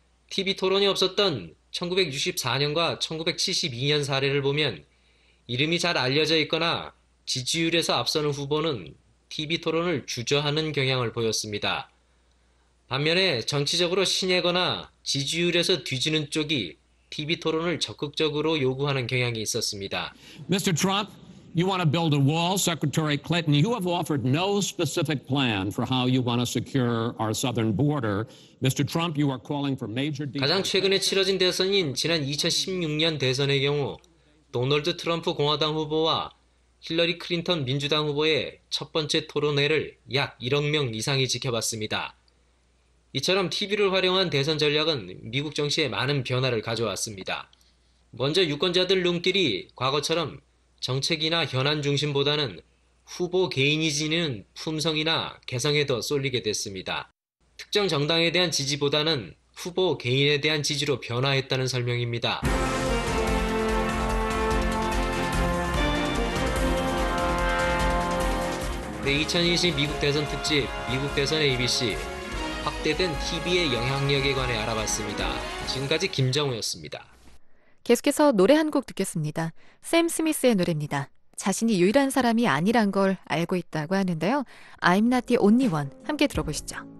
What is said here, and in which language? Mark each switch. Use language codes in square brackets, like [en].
[ko] TV 토론이 없었던 1964년과 1972년 사례를 보면 이름이 잘 알려져 있거나 지지율에서 앞서는 후보는 TV 토론을 주저하는 경향을 보였습니다. 반면에 정치적으로 신예거나 지지율에서 뒤지는 쪽이 TV 토론을 적극적으로 요구하는 경향이 있었습니다. [en] Mr. Trump, you want to build a wall, Secretary Clinton. You have offered no specific plan for how you want to secure our southern border. Mr. Trump, you are calling for major. [ko] 가장 최근에 치러진 대선인 지난 2016년 대선의 경우 도널드 트럼프 공화당 후보와 힐러리 클린턴 민주당 후보의 첫 번째 토론회를 약 1억 명 이상이 지켜봤습니다. 이처럼 TV를 활용한 대선 전략은 미국 정치에 많은 변화를 가져왔습니다. 먼저 유권자들 눈길이 과거처럼 정책이나 현안 중심보다는 후보 개인이 지니는 품성이나 개성에 더 쏠리게 됐습니다. 특정 정당에 대한 지지보다는 후보 개인에 대한 지지로 변화했다는 설명입니다. 네, 2020 미국 대선 특집 미국 대선 ABC 확대된 TV의 영향력에 관해 알아봤습니다. 지금까지 김정우였습니다. 계속해서 노래 한 곡 듣겠습니다. 샘 스미스의 노래입니다. 자신이 유일한 사람이 아니란 걸 알고 있다고 하는데요. I'm not the only one 함께 들어보시죠.